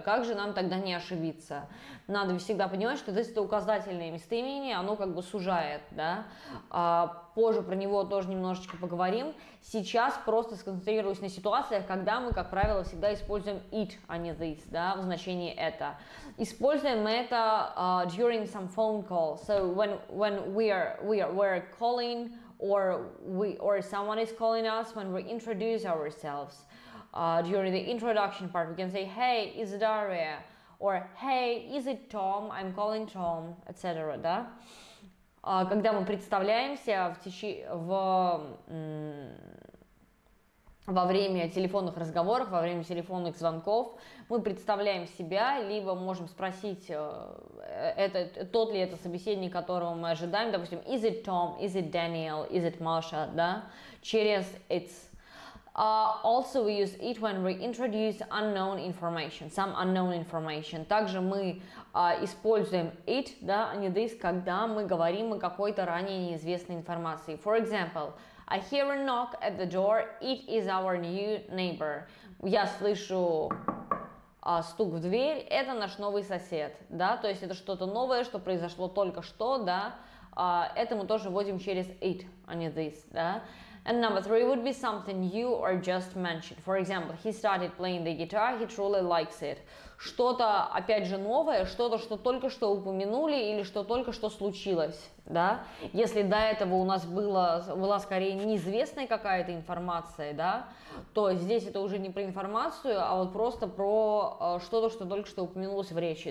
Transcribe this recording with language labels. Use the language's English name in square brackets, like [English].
[Russian] Как же нам тогда не ошибиться? Надо всегда понимать, что this это указательное местоимение, оно как бы сужает, да? Позже про него тоже немножечко поговорим. Сейчас просто сконцентрируюсь на ситуациях, когда мы, как правило, всегда используем it, а не this, да, в значении это. Используем мы это [English] during some phone call. So when we're calling, or or someone is calling us when we introduce ourselves. During the introduction part, we can say, hey, is it Daria? Or, hey, is it Tom? I'm calling Tom, etc. [Russian] Да? Когда мы представляемся во время телефонных разговоров, во время телефонных звонков, мы представляем себя, либо можем спросить, тот ли это собеседник, которого мы ожидаем, допустим, [English] is it Tom, is it Daniel, is it Masha, [Russian] да, через it's. [English] Also we use it when we introduce unknown information, some unknown information. [Russian] Также мы используем it, да, а не this, когда мы говорим о какой-то ранее неизвестной информации. [English] For example, I hear a knock at the door, it is our new neighbor. [Russian] Я слышу стук в дверь, это наш новый сосед, да, то есть это что-то новое, что произошло только что, да, это мы тоже вводим через it, а не this, да. [English] And number three would be something new or just mentioned. For example, he started playing the guitar, he truly likes it. [Russian] Что-то, опять же, новое, что-то, что только что упомянули или что только что случилось, да? Если до этого у нас была скорее неизвестная какая-то информация, да, то здесь это уже не про информацию, а вот просто про что-то, что только что упомянулось в речи.